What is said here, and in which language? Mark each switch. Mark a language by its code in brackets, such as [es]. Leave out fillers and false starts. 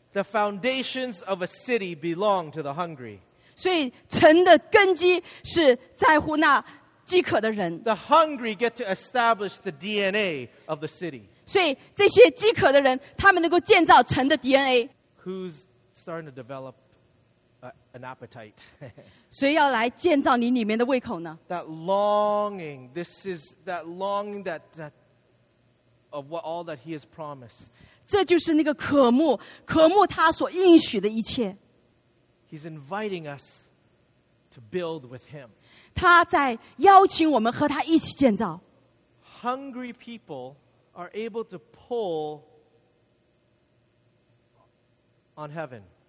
[en] The foundations of a city belong to the hungry. [zh] 所以城的根基是在乎那 [en] The hungry get to establish the DNA of the city. [zh] 所以这些饥渴的人, 他们能够建造城的DNA。 [en] Who's starting to develop an appetite? [zh] 谁要来建造你里面的胃口呢? [en] That longing, this is that longing that of what all that he has promised. [zh] 这就是那个渴慕, 渴慕他所应许的一切。 [en] He's inviting us to build with him. [zh] 他在邀请我们和他一起建造。 [en] Hungry people are able to pull on heaven.